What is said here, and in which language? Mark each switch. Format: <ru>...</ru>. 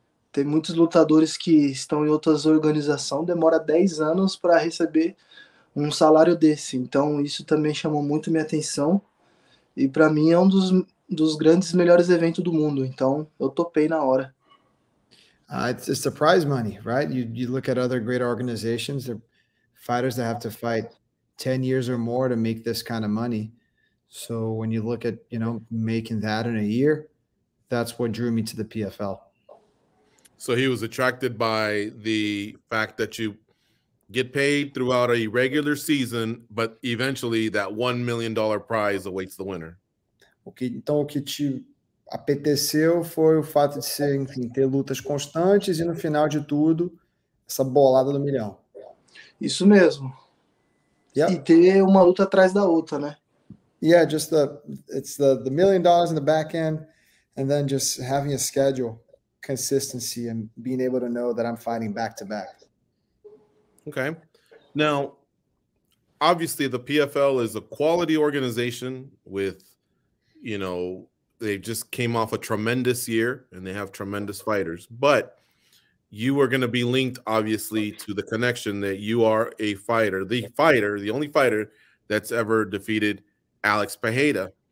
<pt>Tem muitos lutadores que estão em outras organizações, demora 10 anos para receber um salário desse. Então, isso também chamou muito minha atenção. E para mim é um dos grandes melhores eventos do mundo. Então, eu topei na hora.</pt> <en>It's the prize money, right? You look at other great organizations, the fighters that have to fight 10 years or more to make this kind of money. So, when you look at, you know, making that in a year, that's what drew me to the PFL. So he was attracted by the fact that you get paid throughout a regular season, but eventually that $1 million prize awaits the winner.</en> <pt>Okay, então o que te apeteceu foi o fato de ser, enfim, ter lutas constantes e no final de tudo, essa bolada do milhão. Isso mesmo.</pt> <en>Yeah.</en> <pt>E ter uma luta atrás da outra, né?</pt> <en>Yeah, just the $1 million in the back end and then just having a schedule. Consistency and being able to know that I'm fighting back to back. Okay. Now, obviously the PFL is a quality organization with, you know, they just came off a tremendous year and they have tremendous fighters, but you are going to be linked obviously to the connection that you are a fighter, the only fighter that's ever defeated Alex Pereira.</en>